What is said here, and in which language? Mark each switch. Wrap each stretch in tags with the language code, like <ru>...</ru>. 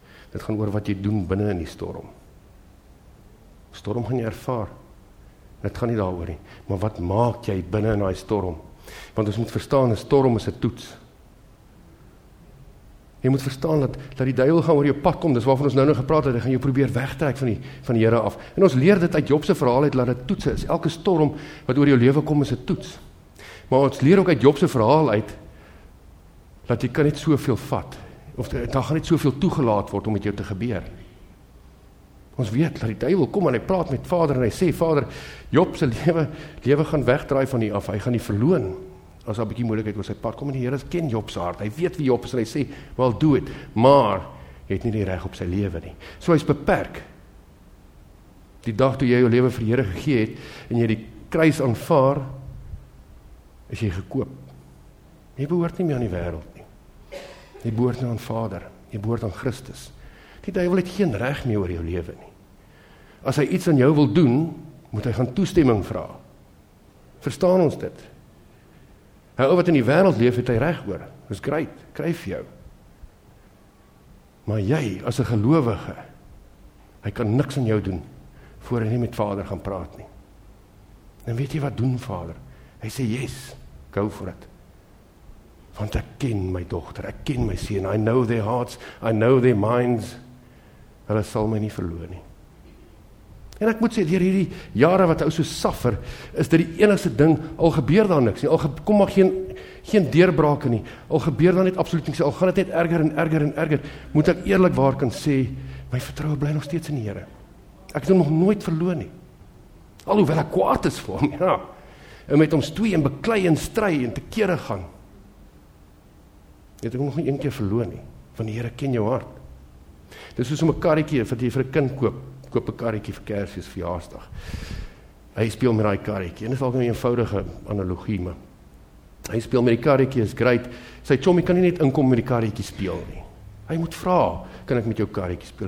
<af>Dit gaan oor wat jy doen binne in die storm. Storm gaan jy ervaar. Dit gaan nie daaroor nie. Maar wat maak jy binne in daai storm? Want ons moet verstaan, 'n storm is 'n toets. Jy moet verstaan dat die duiwel gaan oor jou pad kom. Dis waarvan ons nou gepraat het. Hy gaan jou probeer wegtrek van die Here af. En ons leer dit uit Job se verhaal uit dat dit toets is. Elke storm wat oor jou lewe kom is 'n toets. Maar ons leer ook uit Job se verhaal uit dat jy kan net soveel vat of daar gaan net soveel toegelaat word om met jou te gebeur. Ons weet dat die duiwel kom en hy praat met Vader en hy sê, Vader, Job se lewe gaan wegdraai van hier af, hy gaan nie verloon as daar 'n bietjie moeilikheid oor sy pad kom, en die Here ken Job se hart, hy weet wie Job is en hy sê,</af> <en>well, do it,</en> <af>maar hy het nie die reg op sy lewe nie. So hy is beperk. Die dag toe jy jou lewe vir die Here gegee het en jy die kruis aanvaar, is jy gekoop. Jy behoort nie meer aan die wêreld nie. Jy behoort nie aan Vader. Jy behoort aan Christus. Die duivel het geen reg meer oor jou lewe nie. As hy iets aan jou wil doen, moet hy gaan toestemming vra. Verstaan ons dit? Hy ou wat in die wêreld leef, het hy reg oor. Dis great, kry vir jou. Maar jy, as 'n gelowige, hy kan niks aan jou doen voor hy nie met Vader gaan praat nie. En weet jy wat doen Vader? Hy sê,</af> <en>yes, go for it.</en> <af>Want ek ken my dogter, ek ken my seun,</af> <en>I know their hearts, I know their minds.</en> <af>Hulle sal my nie verloon nie. En ek moet sê, deur hierdie jare wat ou so suffer, is dit die enigste ding, al gebeur daar niks nie, kom maar geen deurbrake nie, al gebeur daar net absoluut niks, al gaan dit net erger en erger en erger, moet ek eerlik waar kan sê, my vertroue bly nog steeds in die Here. Ek het hom nog nooit verloon nie. Alhoewel ek kwaad is vir hom, ja. En met ons twee en beklei en stry en te kere gaan. Het ek nog nie een keer verloon nie, want die Here ken jou hart. Dit is soos om 'n karretjie wat jy vir 'n kind koop 'n karretjie vir Kersfees vir verjaarsdag. Hy speel met daai karretjie. En dit is dalk 'n eenvoudige analogie, maar hy speel met die karretjie, is great. Sy chommie kan nie net inkom met die karretjie speel nie. Hy moet vra, kan ek met jou karretjie speel?</af>